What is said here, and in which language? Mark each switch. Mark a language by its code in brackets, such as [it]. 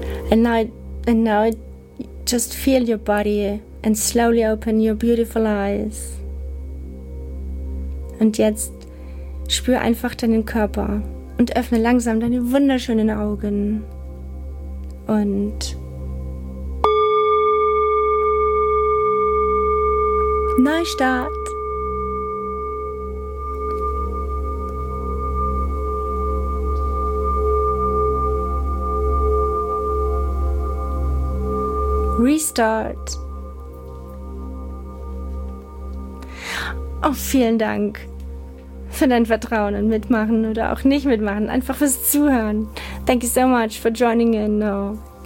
[en] And now just feel your body and slowly open your beautiful eyes. [de] Und jetzt spür einfach deinen Körper und öffne langsam deine wunderschönen Augen. Und Neustart. [en] Restart. [de] Oh, vielen Dank für dein Vertrauen und Mitmachen oder auch nicht mitmachen, einfach fürs Zuhören. [en] Thank you so much for joining in now.